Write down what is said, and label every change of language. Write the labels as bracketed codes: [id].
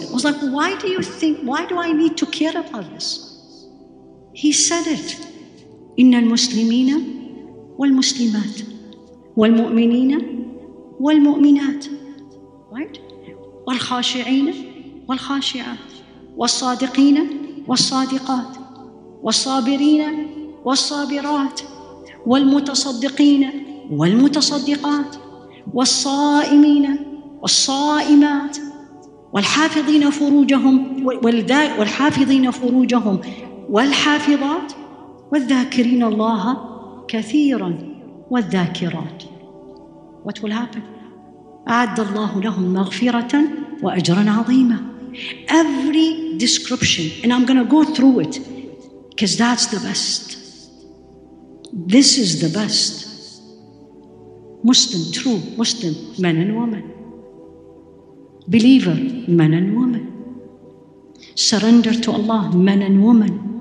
[en] I was like, why do I need to care about this? He said it. [ar] إن المسلمين والمسلمات والمؤمنين والمؤمنات. [en] Right? [ar] والخاشعين والخاشعات والصادقين والصادقات والصابرين والصابرات والمتصدقين والمتصدقات والصائمين والصائمات والحافظين فروجهم والحافظين فروجهم والحافظات والذاكرين الله كثيرا والذاكرات. [en] What will happen? [ar] أعد الله لهم مغفرة وأجرا عظيما. [en] Every description, and I'm going to go through it because that's the best. This is the best. Muslim, true Muslim, man and woman. Believer, man and woman. Surrender to Allah, man and woman.